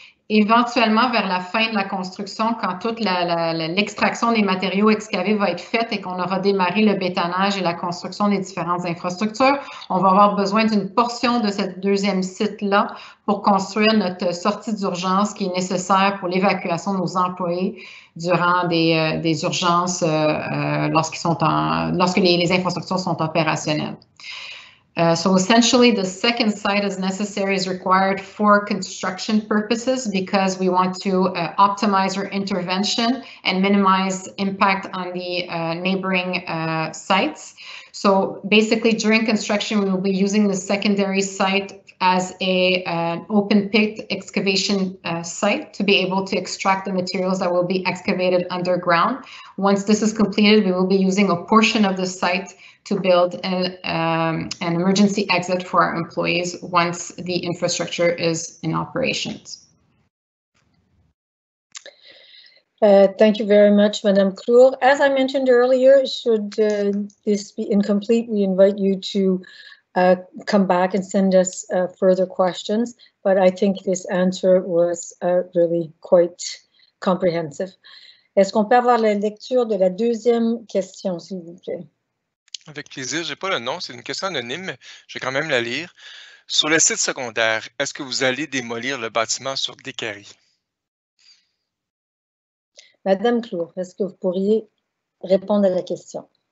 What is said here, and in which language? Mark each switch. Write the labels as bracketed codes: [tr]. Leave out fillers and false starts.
[fr] Éventuellement, vers la fin de la construction, quand toute l'extraction des matériaux excavés va être faite et qu'on aura démarré le bétonnage et la construction des différentes infrastructures, on va avoir besoin d'une portion de ce deuxième site-là pour construire notre sortie d'urgence qui est nécessaire pour l'évacuation de nos employés durant des urgences lorsque les infrastructures sont opérationnelles. [en] So essentially, the second site is necessary, is required for construction purposes because we want to optimize our intervention and minimize impact on the neighboring sites. So basically, during construction, we will be using the secondary site as an open pit excavation site to be able to extract the materials that will be excavated underground. Once this is completed, we will be using a portion of the site to build an emergency exit for our employees once the infrastructure is in operations. Thank you very much, Madame Clour. As I mentioned earlier, should this be incomplete, we invite you to come back and send us further questions. But I think this answer was really quite comprehensive. [fr] Est-ce qu'on peut avoir la lecture de la deuxième question, s'il vous plaît? Avec plaisir, je n'ai pas le nom, c'est une question anonyme, mais je vais quand même la lire. Sur le site secondaire, est-ce que vous allez démolir le bâtiment sur des carrés? Madame Clour, est-ce que vous pourriez répondre à la question?